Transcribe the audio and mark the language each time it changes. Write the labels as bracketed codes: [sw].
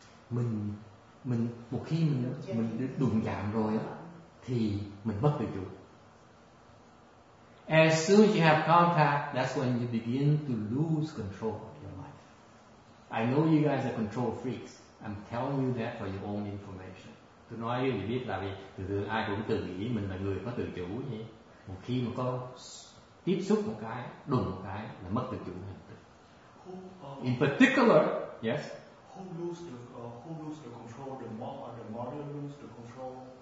[vi] Mình một khi mình đụng chạm rồi đó, thì mình mất tự chủ. [en] As soon as you have contact, that's when you begin to lose control of your life. I know you guys are control freaks. I'm telling you that for your own information. [vi] Tôi nói với mình biết là vì thường ai cũng tự nghĩ mình là người có tự chủ nhỉ. Một khi mà có tiếp xúc một cái, đụng một cái là mất tự chủ ngay. [en] In particular, yes. Who lose the control? The mother lose the control.